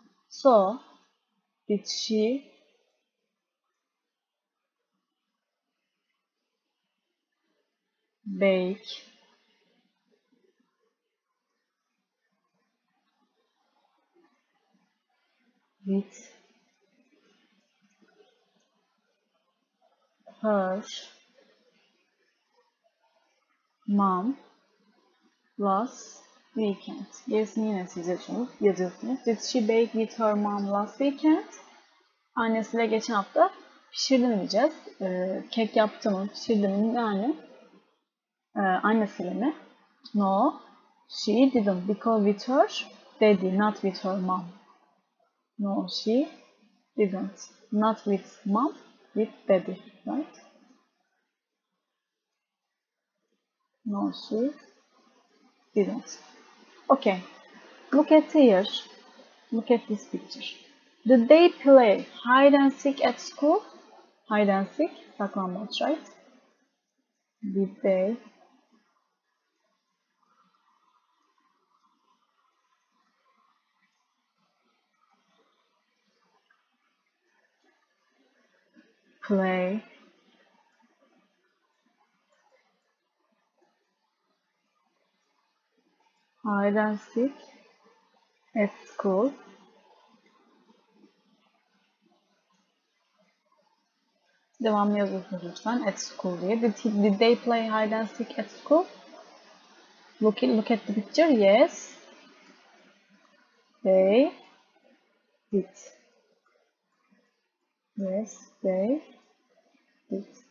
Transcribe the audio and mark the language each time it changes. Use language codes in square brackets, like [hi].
[en] So, did she bake with her mom last weekend? [tr] Gelsin yine size çoğu yazıyorsunuz. [en] Did she bake with her mom last weekend? [tr] Annesiyle geçen hafta pişirdi mi diyeceğiz. Kek yaptı mı, pişirdi mi yani? Annesiyle mi? [en] No, she didn't. Because with her daddy, not with her mom. No, she didn't. Not with mom, with daddy, right? No, she didn't. Okay, look at here. Look at this picture. Did they play hide and seek at school? Hide and seek, saklambaç, right? Did they play hide and seek at school? [tr] Devamlı yazıyorsunuz lütfen [en] at school [tr] diye. [en] Did they play hide and seek at school? Look at the picture. Yes, they did. Yes, they did.